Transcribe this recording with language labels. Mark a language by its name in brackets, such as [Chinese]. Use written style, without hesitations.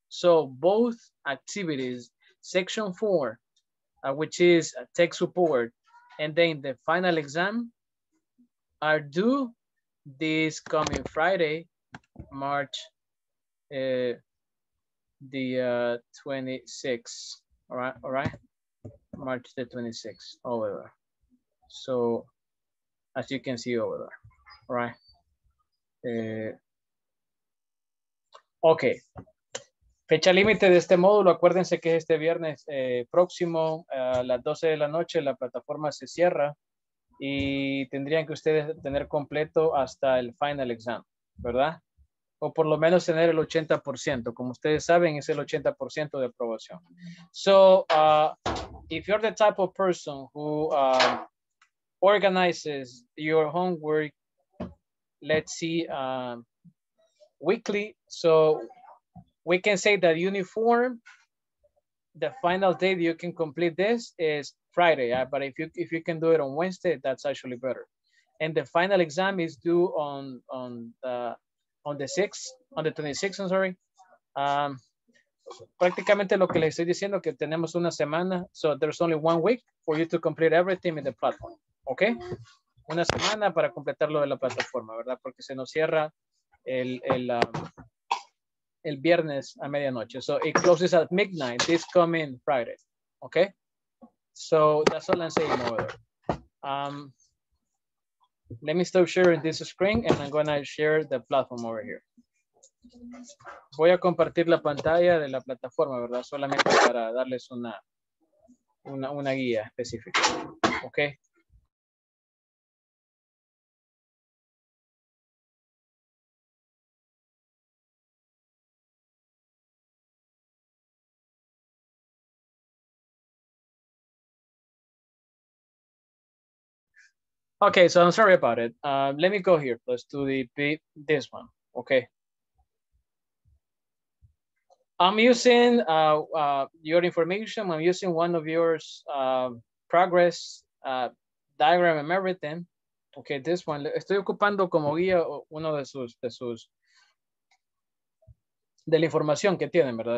[English] So both activities, section four, which is tech support, and then the final exam are due this coming Friday, March the 26th. All right. March the 26th, over there. So as you can see over there, all right? [Spanish] Okay, fecha límite de este módulo, acuérdense que es este viernes próximo a las 12 de la noche, la plataforma se cierra y tendrían que ustedes tener completo hasta el final exam, ¿verdad? O por lo menos tener el 80%, como ustedes saben es el 80% de aprobación. [English] So, if you're the type of person who organizes your homework, let's see... weekly, so we can say that uniform, the final day that you can complete this is Friday, but if you can do it on Wednesday, that's actually better. And the final exam is due on the 26th, I'm sorry. [Spanish] Prácticamente lo que les estoy diciendo que tenemos una semana, [English] so there's only 1 week for you to complete everything in the platform, okay? [Spanish] Una semana para completarlo de la plataforma, ¿verdad? Porque se nos cierra el viernes a medianoche. [English] So it closes at midnight this coming Friday. Okay? So that's all I'm saying over there. Let me stop sharing this screen and I'm going to share the platform over here. [Spanish] Voy a compartir la pantalla de la plataforma, ¿verdad? Solamente para darles una guía específica. Okay? [English] Okay, so I'm sorry about it. Let me go here. Let's do this one. Okay. I'm using your information. I'm using one of yours progress diagram and everything. Okay, this one. [Spanish] Estoy ocupando como guía uno de sus de la información que tienen, ¿verdad?